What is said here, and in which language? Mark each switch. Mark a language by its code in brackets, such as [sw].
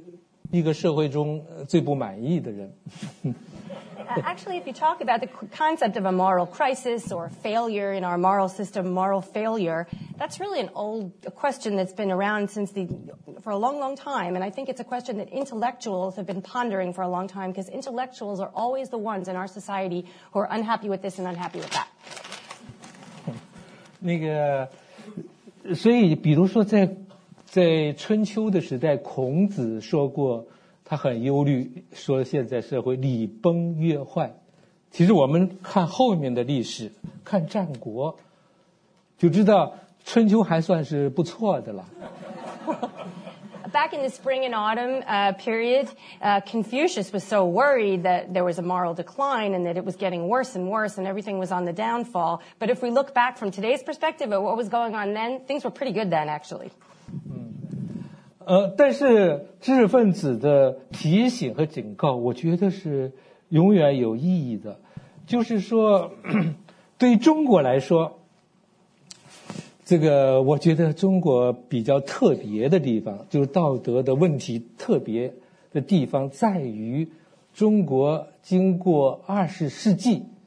[zh] 他就是说其实那个道德也没什么败坏他就是嗯嗯啊这个就是关于道德危机或者失败的问题我想是一个老问题尤其是知识分子的一个老问题因为知识分子可以说是一个社会中最不满意的人 [en] Actually, if you talk about the concept of a moral crisis or failure in our moral system, moral failure, that's really an old question that's been around since for a long, long time. And I think it's a question that intellectuals have been pondering for a long time because intellectuals are always the ones in our society who are unhappy with this and unhappy with that. [zh] 所以比如说在春秋的时代,孔子说过, 他很忧虑说现在社会礼崩乐坏。其实我们看后面的历史,看战国,就知道春秋还算是不错的了。 [en] Back in the spring and autumn period, Confucius was so worried that there was a moral decline and that it was getting worse and worse and everything was on the downfall. But if we look back from today's perspective at what was going on then, things were pretty good then actually. [zh] 但是知识分子的提醒和警告我觉得是永远有意义的就是说对中国来说这个我觉得中国比较特别的地方就是道德的问题特别的地方在于中国经过二十世纪